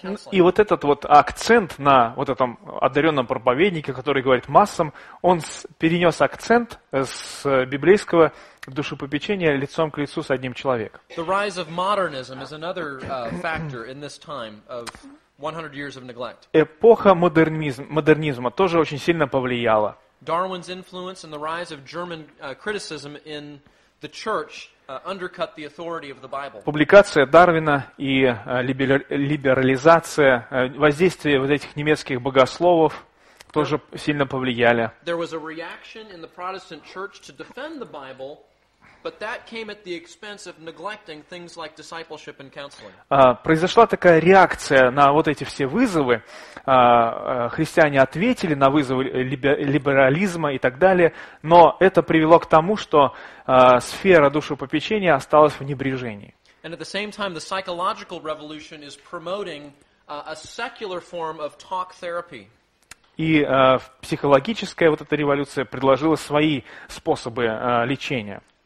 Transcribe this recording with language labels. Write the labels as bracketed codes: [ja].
[ru] И вот этот вот акцент на вот этом одаренном проповеднике, который говорит массам, он перенес акцент с библейского душепопечения лицом к лицу с одним человеком. [en] The rise of modernism is another factor in this time of 100 years of neglect. [ru] Эпоха модернизма тоже очень сильно повлияла. [en] Darwin's influence and the rise of German criticism in the church undercut the authority of the Bible. [ru] Публикация Дарвина и либерализация, воздействие вот этих немецких богословов тоже сильно повлияли. [en] There was a reaction in the Protestant church to defend the Bible. But that came at the expense of neglecting things like discipleship and counseling. [ru] Произошла такая реакция на вот эти все вызовы. Христиане ответили на вызовы либерализма и так далее. Но это привело к тому, что сфера душепопечения осталась в небрежении. [en] And at the same time, the psychological revolution is promoting a secular form of talk therapy. [ru] И психологическая вот эта революция предложила свои способы лечения.